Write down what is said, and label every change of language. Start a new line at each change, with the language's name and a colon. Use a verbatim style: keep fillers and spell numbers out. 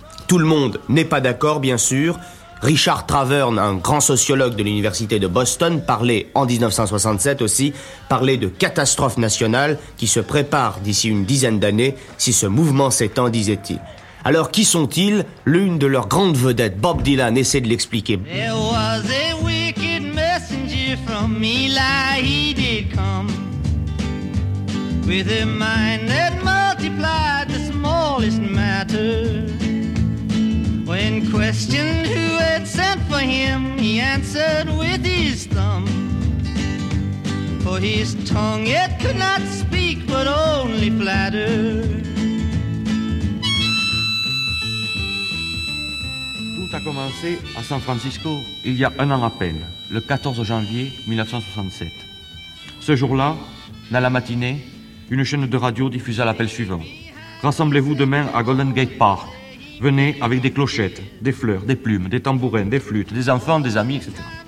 French: Tout le monde n'est pas d'accord, bien sûr. Richard Traverne, un grand sociologue de l'université de Boston, parlait en dix-neuf cent soixante-sept aussi, parlait de catastrophe nationale qui se prépare d'ici une dizaine d'années si ce mouvement s'étend, disait-il. Alors qui sont-ils? L'une de leurs grandes vedettes, Bob Dylan, essaie de l'expliquer.
English: There was a wicked messenger from Eli, he did come with a mind that multiplied the smallest matter. When questioned who had sent for him, he answered with his thumb. For his tongue it could not speak, but only flatter.
French: Tout a commencé à San Francisco il y a un an à peine, le quatorze janvier dix-neuf cent soixante-sept. Ce jour-là, dans la matinée, une chaîne de radio diffusa l'appel suivant. Rassemblez-vous demain à Golden Gate Park. Venez avec des clochettes, des fleurs, des plumes, des tambourins, des flûtes, des enfants, des amis, et cetera.